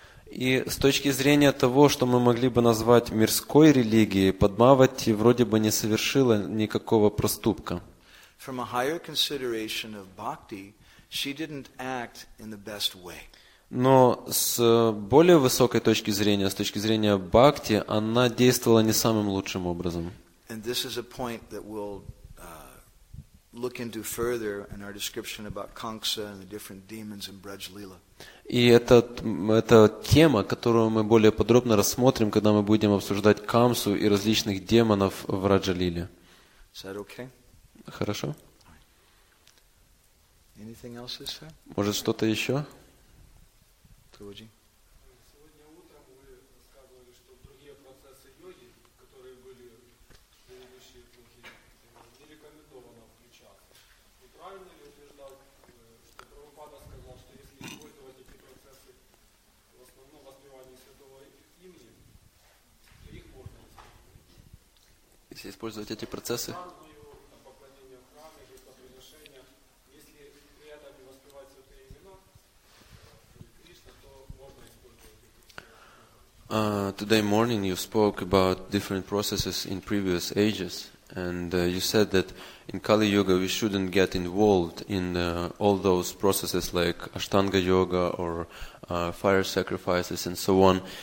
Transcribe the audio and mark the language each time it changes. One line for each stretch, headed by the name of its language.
Russian: И с точки зрения того, что мы могли бы назвать мирской религией, Падмавати вроде бы не совершила никакого проступка.
English: From a higher consideration of bhakti, she didn't act in the best way.
Russian: Но с более высокой точки зрения, с точки зрения бхакти, она действовала не самым лучшим образом.
English: And this is a point that we'll look into further in our description about Kamsa and the different demons in Brajlila.
Russian: И это тема, которую мы более подробно рассмотрим, когда мы будем обсуждать Камсу и различных демонов в Раджалиле.
English: Is that okay?
Russian: Хорошо.
English: Anything else, sir?
Russian: Может, что-то еще? Труджи. Сегодня утром вы рассказывали, что другие процессы йоги, которые были в предыдущей эпохе, не рекомендовано включаться. Неправильно ли утверждал, что Прабхупада сказал, что если использовать эти процессы в основном воспевании святого имени, то их можно использовать? Если использовать эти процессы? Поклонение в храме, жертвоприношение, если при этом не воспевать святые имена,
English: Today morning you spoke about different processes in previous ages, and you said that in Kali Yuga we shouldn't get involved in all those processes like Ashtanga Yoga or fire sacrifices and so on.